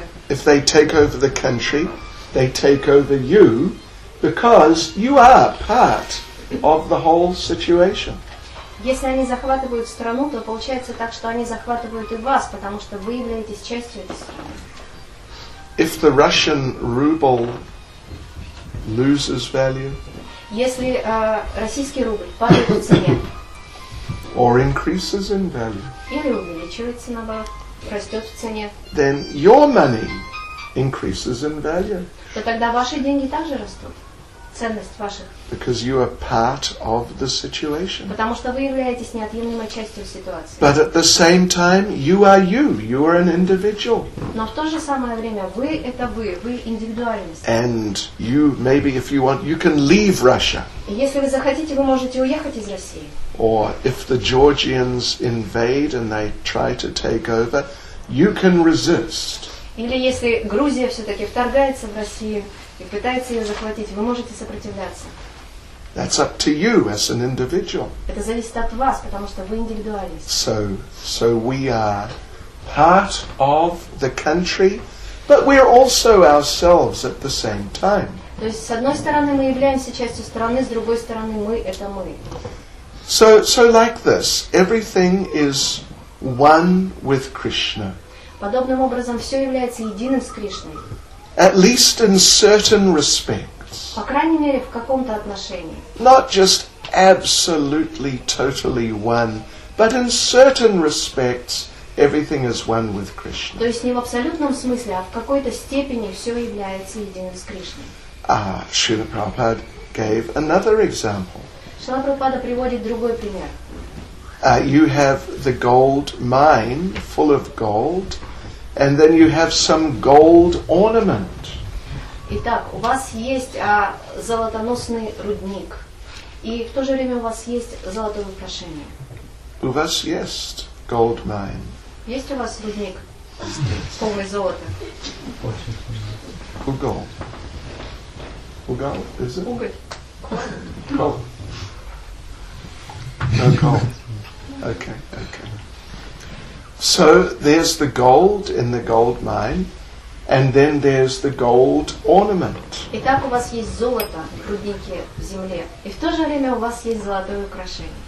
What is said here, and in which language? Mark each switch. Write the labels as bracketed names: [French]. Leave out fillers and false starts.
[English] If they take over the country, they take over you, because you are part of the whole situation. [Russian] Если они захватывают страну, то получается так, что они захватывают и вас, потому что вы являетесь частью этой страны. [English] If the Russian ruble loses value, [Russian] если российский рубль падает в цене, [English] or increases in value, [Russian] или увеличивается наоборот. Растет в цене. [English] Then your money increases in value. [Russian] То тогда ваши деньги также растут. Ценность ваших. [English] Because you are part of the situation. [Russian] Потому что вы являетесь неотъемлемой частью ситуации. [English] But at the same time, you are you. You are an individual. [Russian] Но в то же самое время вы это вы. Вы индивидуальность. [English] And you maybe if you want you can leave Russia. [Russian] Если вы захотите, вы можете уехать из России. [English] Or if the Georgians invade and they try to take over, you can resist. [Russian] Или если Грузия все-таки вторгается в Россию и пытается ее захватить, вы можете сопротивляться. [English] That's up to you as an individual. [Russian] Это зависит от вас, потому что вы индивидуалист. [English] So we are part of the country, but we are also ourselves at the same time. [Russian] То есть с одной стороны мы являемся частью страны, с другой стороны мы это мы. [English] So like this, everything is one with Krishna. [Russian] Подобным образом все является единым с Кришной. [English] At least in certain respects. [Russian] По крайней мере, в каком-то отношении. [English] Not just absolutely, totally one, but in certain respects, everything is one with Krishna. [Russian] То есть не в абсолютном смысле, а в какой-то степени все является единым с Кришной. [English] Ah, Srila Prabhupada gave another example. [Russian] Шрила Прабхупада приводит другой пример. [English] You have the gold mine full of gold, and then you have some gold ornament. [Russian] Итак, у вас есть золотоносный рудник, и в то же время у вас есть золотое украшение. У вас есть [English] gold mine. [Russian] Есть у вас рудник полный золота. [English] Угол, is it? [Russian] Уголь. [English] No gold. Okay. So there's the gold in the gold mine, and then there's the gold ornament. [Russian] Итак, у вас есть золото в руднике в земле, и в то же время у вас есть золотое украшение.